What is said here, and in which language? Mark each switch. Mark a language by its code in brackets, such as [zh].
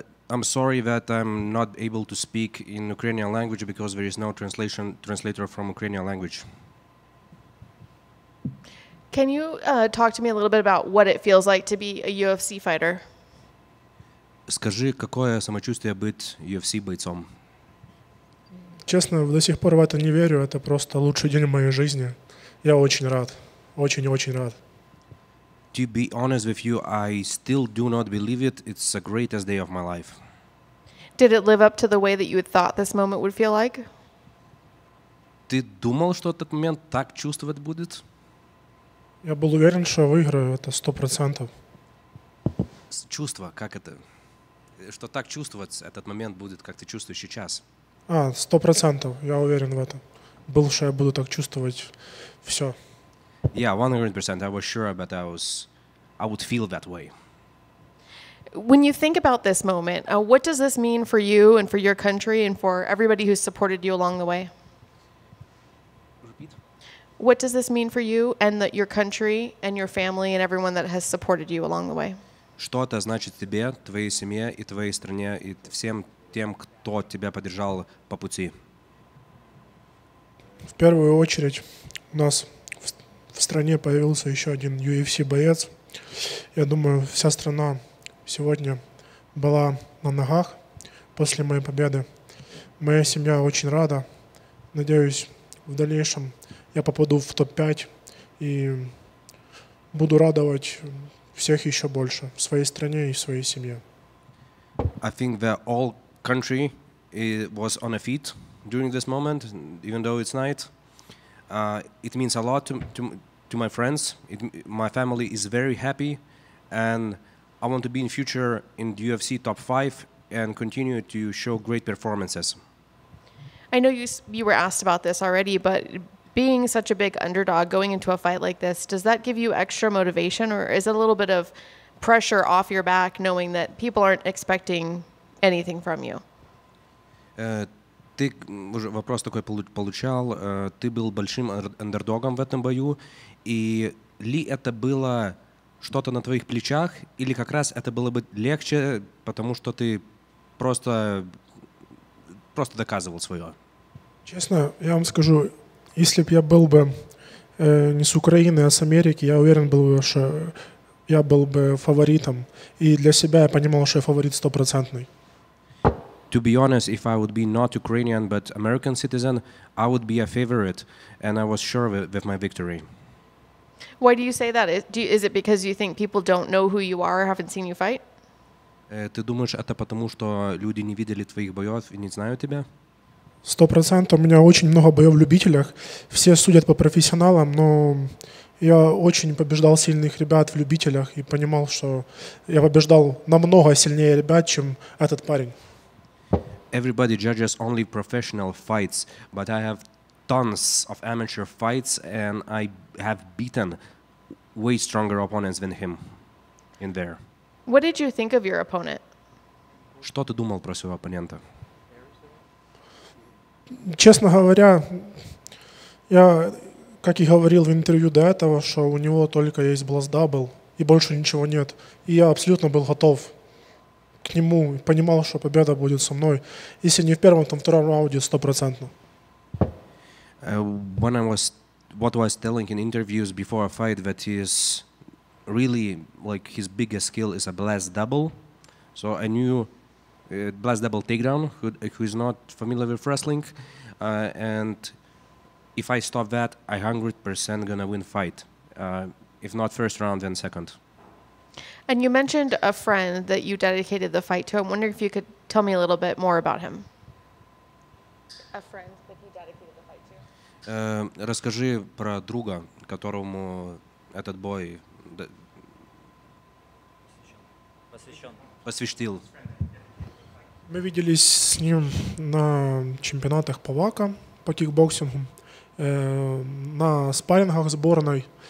[en] I'm sorry that I'm not able to speak in Ukrainian language because there is no translator from Ukrainian language. Can you talk to me a little bit about what it feels like to be a UFC fighter? [ru] Скажи, какое самочувствие быть UFC бойцом? Честно, до сих пор в это не верю. Это просто лучший день в моей жизни. Я очень рад. Очень-очень рад. [en] To be honest with you, I still do not believe it. It's the greatest day of my life. Did it live up to the way that you had thought this moment would feel like? [ru] Ты думал, что этот момент так чувствовать будет? Я был уверен, что выиграю. Это 100%. Чувство, как это? Что так чувствовать этот момент будет, как ты чувствуешь сейчас? 100%. Я уверен в этом. Был, что я буду так чувствовать все. [en] Yeah, 100%. I was sure, but I would feel that way. When you think about this moment, what does this mean for you and for your country and for everybody who supported you along the way? Repeat. What does this mean for you and that your country and your family and everyone that has supported you along the way? [ru] Что это значит тебе, твоей семье и твоей стране и всем тем, кто тебя поддержал по пути? В первую очередь у нас в стране появился еще один UFC-боец. Я думаю, вся страна сегодня была на ногах после моей победы. Моя семья очень рада. Надеюсь, в дальнейшем я попаду в топ-5 и буду радовать всех еще больше в своей стране и в своей семье. [en] I think that all country was on a feet during this moment, even though it's night. It means a lot to my friends. My family is very happy, and I want to be in future in the UFC top 5 and continue to show great performances. I know you were asked about this already, but being such a big underdog, going into a fight like this, does that give you extra motivation, or is it a little bit of pressure off your back knowing that people aren't expecting anything from you? [ru] Ты уже вопрос такой получал. Ты был большим андердогом в этом бою. И ли это было что-то на твоих плечах, или как раз это было бы легче, потому что ты просто доказывал свое? Честно, я вам скажу, если бы я был бы не с Украины, а с Америки, я уверен был бы, что я был бы фаворитом. И для себя я понимал, что я фаворит 100%. [en] To be honest, if I would be not Ukrainian, but American citizen, I would be a favorite, and I was sure with my victory. Why do you say that? Is it because you think people don't know who you are or haven't seen you fight? [ru] Ты думаешь, это потому, что люди не видели твоих боев и не знают тебя? 100%. У меня очень много боев в любителях. Все судят по профессионалам, но я очень побеждал сильных ребят в любителях и понимал, что я побеждал намного сильнее ребят, чем этот парень. [en] Everybody judges only professional fights, but I have tons of amateur fights, and I have beaten way stronger opponents than him in there. What did you think of your opponent? [ru] Что ты думал про своего оппонента? Честно говоря, я, как и говорил в интервью до этого, что у него только есть Blast Double, и больше ничего нет. И я абсолютно был готов к нему, понимал, что победа будет со мной. Если не в первом, то в втором раунде 100%. [en] When I was, what was telling in interviews before a fight, that is really like his biggest skill is a blast double. So I knew blast double takedown, who is not familiar with wrestling. And if I stop that, I 100% gonna win fight. If not first round, then second. And you mentioned a friend that you dedicated the fight to. I'm wondering if you could tell me a little bit more about him. A friend that you dedicated the fight to. [ru] Расскажи про друга, которому этот бой посвящил. Мы виделись с ним на чемпионатах по ВАКа, по кикбоксингу, на спаррингах сборной.